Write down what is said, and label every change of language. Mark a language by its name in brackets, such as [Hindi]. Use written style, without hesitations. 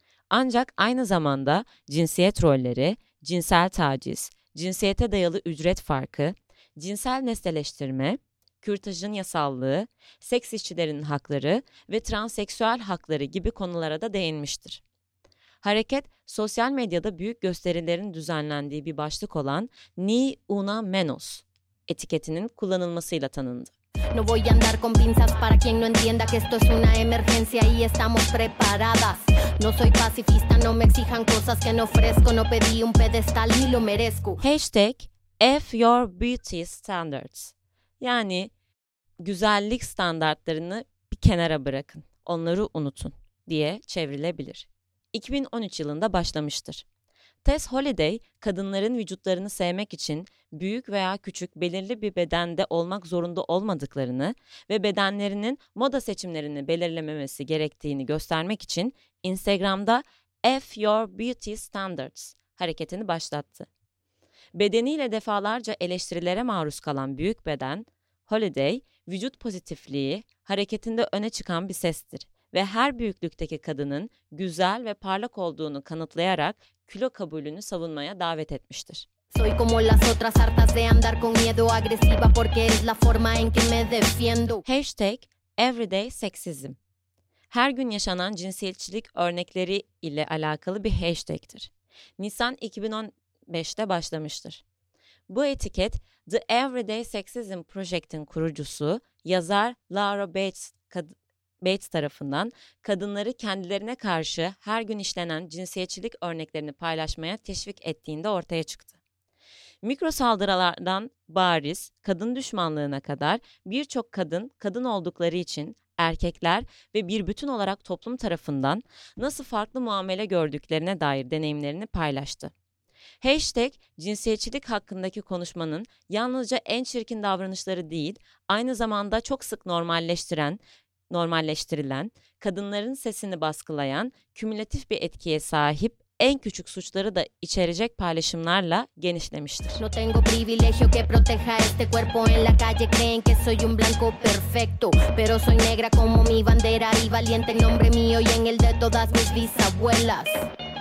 [Turkish] Ancak aynı zamanda cinsiyet rolleri, cinsel taciz, cinsiyete dayalı ücret farkı, cinsel nesneleştirme, kürtajın yasallığı, seks işçilerinin hakları ve transseksüel hakları gibi konulara da değinmiştir. Hareket, sosyal medyada büyük gösterilerin düzenlendiği bir başlık olan Ni Una Menos etiketinin kullanılmasıyla tanındı. [Spanish] No voy a andar con pinzas para quien no entienda que esto es una emergencia y estamos preparadas. No soy pacifista, no me exijan cosas que no ofrezco, no pedí un pedestal ni lo merezco. [English] Hashtag F your beauty standards. [Turkish] Yani güzellik standartlarını bir kenara bırakın, onları unutun diye çevrilebilir. 2013 yılında başlamıştır. Tess Holliday, kadınların vücutlarını sevmek için büyük veya küçük belirli bir bedende olmak zorunda olmadıklarını ve bedenlerinin moda seçimlerini belirlememesi gerektiğini göstermek için Instagram'da F Your Beauty Standards hareketini başlattı. Bedeniyle defalarca eleştirilere maruz kalan büyük beden, Holliday, vücut pozitifliği hareketinde öne çıkan bir sestir ve her büyüklükteki kadının güzel ve parlak olduğunu kanıtlayarak kilo kabulünü savunmaya davet etmiştir. [Spanish] Soy como las otras hartas de andar con miedo agresiva porque es la forma en que me defiendo. [English] Hashtag everyday sexism. [Turkish] Her gün yaşanan cinsiyetçilik örnekleri ile alakalı bir hashtag'tir. Nisan 2015'te başlamıştır. Bu etiket The Everyday Sexism Project'in kurucusu, yazar Laura Bates tarafından kadınları kendilerine karşı her gün işlenen cinsiyetçilik örneklerini paylaşmaya teşvik ettiğinde ortaya çıktı. Mikro saldırılardan bariz kadın düşmanlığına kadar birçok kadın, kadın oldukları için erkekler ve bir bütün olarak toplum tarafından nasıl farklı muamele gördüklerine dair deneyimlerini paylaştı. Hashtag cinsiyetçilik hakkındaki konuşmanın yalnızca en çirkin davranışları değil, aynı zamanda çok sık normalleştirilen, kadınların sesini baskılayan, kümülatif bir etkiye sahip en küçük suçları da içerecek paylaşımlarla genişlemiştir. [Spanish] No tengo privilegio que proteja este cuerpo en la calle creen que soy un blanco perfecto, pero soy negra como mi bandera y valiente en nombre mío y en el de todas mis bisabuelas.